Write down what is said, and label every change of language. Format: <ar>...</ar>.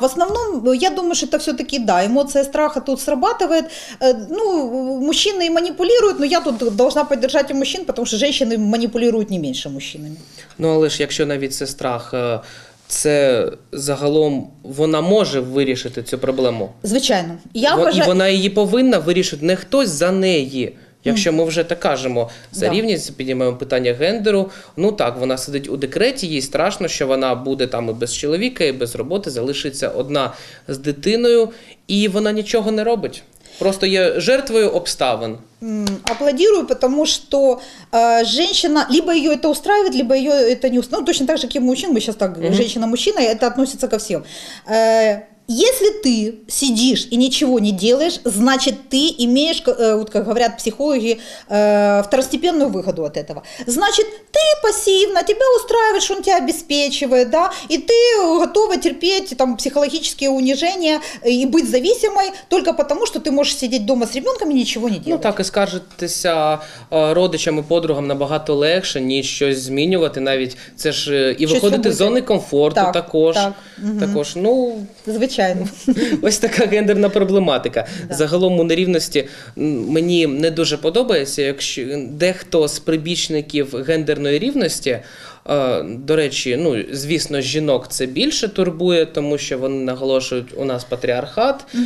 <ru>В основном, я думаю, что это все-таки, да, эмоция страха тут срабатывает. Ну, мужчины и манипулируют, но я тут должна поддержать и мужчин, потому что женщины манипулируют не меньше мужчинами.</ru> <uk>Ну, але ж, якщо навіть це страх, це загалом, вона може вирішити цю проблему? Звичайно. І вона її повинна вирішити, не хтось за неї. Якщо ми вже так кажемо за рівність, піднімаємо питання гендеру, ну так, вона сидить у декреті, їй страшно, що вона буде там і без чоловіка, і без роботи, залишиться одна з дитиною, і вона нічого не робить. Просто є жертвою обставин.</uk> <ru>Аплодирую, потому что женщина, либо ее это устраивает, либо ее это не устраивает. Ну, точно так же, как и мужчин, мы сейчас так, женщина-мужчина, это относится ко всем. Если ты сидишь и ничего не делаешь, значит, ты имеешь, вот как говорят психологи, второстепенную выгоду от этого. Значит, ты пассивно, тебя устраивает, что он тебя обеспечивает, да, и ты готова терпеть там психологические унижения и быть зависимой только потому, что ты можешь сидеть дома с ребенком и ничего не делать.</ru> <uk>Ну так, и скаржитися родичам и подругам набагато легше, ніж щось змінювати, навіть це ж і виходити з зони комфорту так, також. Так, також, ну... Звичайно. Ось така гендерна проблематика. Да. Загалом у нерівності мені не дуже подобається, якщо дехто з прибічників гендерної рівності, до речі, ну, звісно, жінок це більше турбує, тому що вони наголошують, у нас патріархат.</uk>